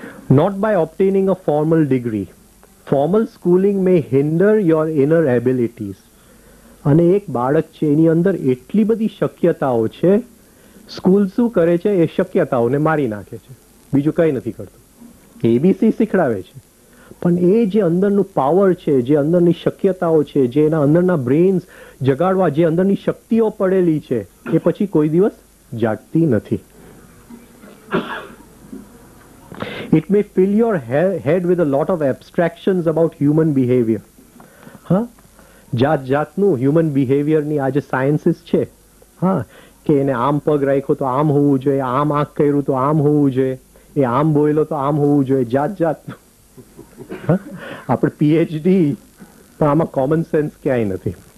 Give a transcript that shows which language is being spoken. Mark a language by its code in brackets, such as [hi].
[en] Not by obtaining a formal degree. Formal schooling may hinder your inner abilities. [gu] અને એક બાળક છે એની અંદર એટલી બધી શક્યતાઓ છે, સ્કૂલ શું કરે છે, એ શક્યતાઓને મારી નાખે છે, બીજું કંઈ નથી કરતું. એબીસી શીખડાવે છે, પણ એ જે અંદરનું પાવર છે, જે અંદરની શક્યતાઓ છે, જે એના અંદરના બ્રેઇન્સ જગાડવા જે અંદરની શક્તિઓ પડેલી છે, એ પછી કોઈ દિવસ જાગતી નથી. [en] It may fill your head with a lot of abstractions about human behavior. Huh? [gu] જાત જાતનું હ્યુમન બિહેવિયરની આ જે સાયન્સીસ છે, હા, કે એને આમ પગ રાખો તો આમ હોવું જોઈએ, આમ આંખ કર્યું તો આમ હોવું જોઈએ, એ આમ બોયલો તો આમ હોવું જોઈએ, જાત જાતનું. આપણે PhD, પણ આમાં કોમન સેન્સ ક્યાંય નથી.